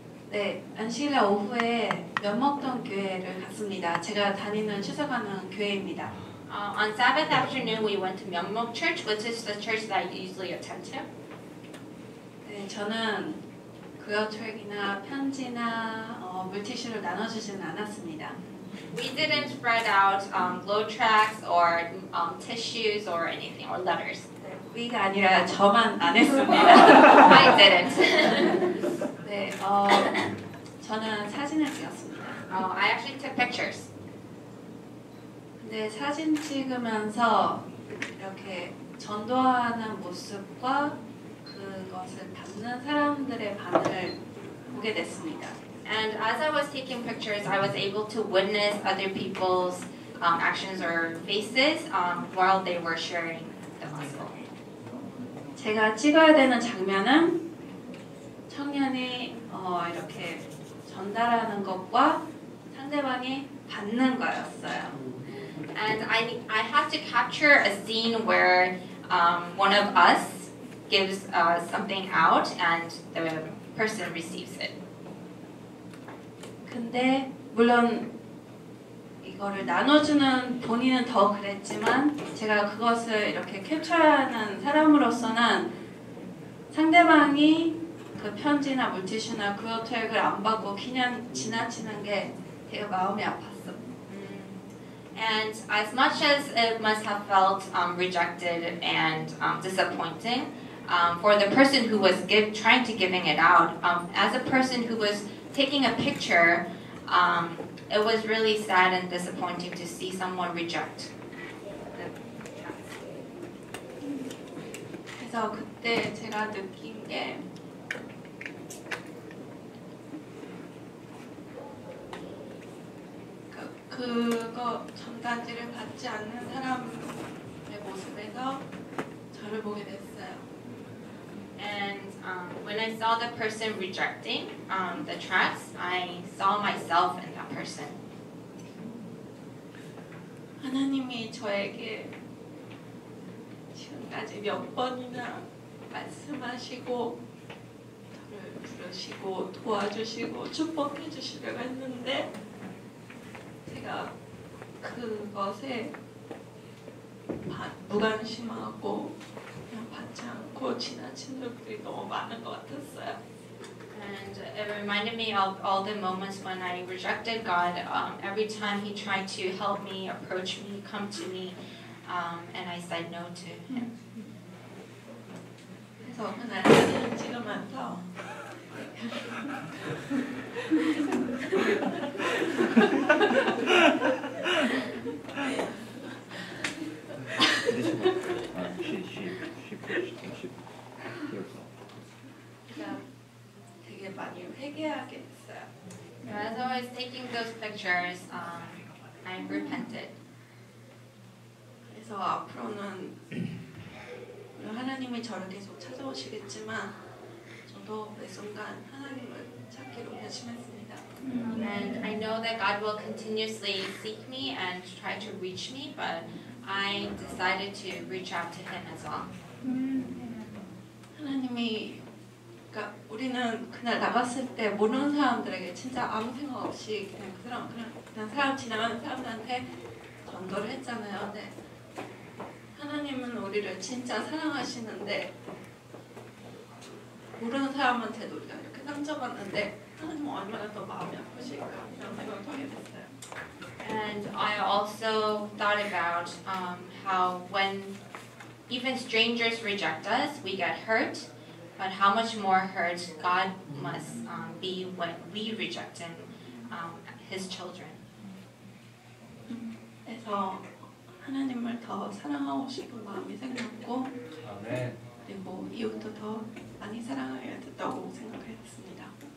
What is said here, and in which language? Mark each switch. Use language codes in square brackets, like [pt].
[ko] 네, 안식일 오후에 면 먹던 교회를 갔습니다. 제가 다니는 추석하는 교회입니다. [en] On Sabbath afternoon, we went to 면목 church, which is the church that I usually attend to. [ko] 네, 저는 그어트랙이나 편지나 물티슈를 나눠주지는 않았습니다. [en] We didn't spread out glow tracks or tissues or anything or letters. [ko] 우리가 아니라 저만 안 했습니다. [en] I didn't. [ko] 네, 저는 사진을 찍었습니다. [en] I actually took pictures. [ko] 네, 사진 찍으면서 이렇게 전도하는 모습과 그것을 담는 사람들의 반응을 보게 됐습니다. [en] And as I was taking pictures, I was able to witness other people's actions or faces while they were sharing the gospel. [ko] 제가 찍어야 되는 장면은 청년이 이렇게 전달하는 것과 상대방이 받는 거였어요. [en] And I had to capture a scene where one of us gives something out and the person receives it. [ko] 근데 물론 이거를 나눠주는 본인은 더 그랬지만 제가 그것을 이렇게 캡처하는 사람으로서는 상대방이 그 편지나 물티슈나 그어트랙을 안 받고 그냥 지나치는 게 되게 마음이 아팠어. [en] And as much as it must have felt rejected and disappointing for the person who was trying to giving it out, as a person who was taking a picture, it was really sad and disappointing to see someone reject. [ko] 그래서 그때 제가 느낀 게 그거 전단지를 받지 않는 사람의 모습에서 저를 보게 됐어요. [en] And when I saw the person rejecting the tracks, I saw myself in that person. [ko] 하나님이 저에게 지금까지 몇 번이나 말씀하시고 저를 부르시고 도와주시고 축복해 주시려고 했는데 제가 그것에 무관심하고 [en] And it reminded me of all the moments when I rejected God. Every time He tried to help me, approach me, come to me, and I said no to Him. [ko] 그래서 그날 찍으면서 [en] As I was taking those pictures, I repented. [ko] 그래서 앞으로는 하나님이 저를 계속 찾아오시겠지만 저도 매 순간 하나님을 찾기로 결심했습니다. [en] And I know that God will continuously seek me and try to reach me, but I decided to reach out to Him as well. [ko] 하나님이 그러니까 우리는 그날 나갔을 때 모르는 사람들에게 진짜 아무 생각 없이 그냥 그 사람 그냥 사람 지나가는 사람들한테 전도를 했잖아요. 네. 하나님은 우리를 진짜 사랑하시는데 모르는 사람한테도 우리가 이렇게 상처받는데 하나님은 얼마나 더 마음이 아프실까 이런 생각을 하게 됐어요. [en] And I also thought about how when even strangers reject us, we get hurt. But how much more hurt God must be when we reject Him, His children. [ko] 그래서 하나님을 더 사랑하고 싶은 마음이 생겼고, 그리고 이웃도 더 많이 사랑해야 된다고 생각했습니다.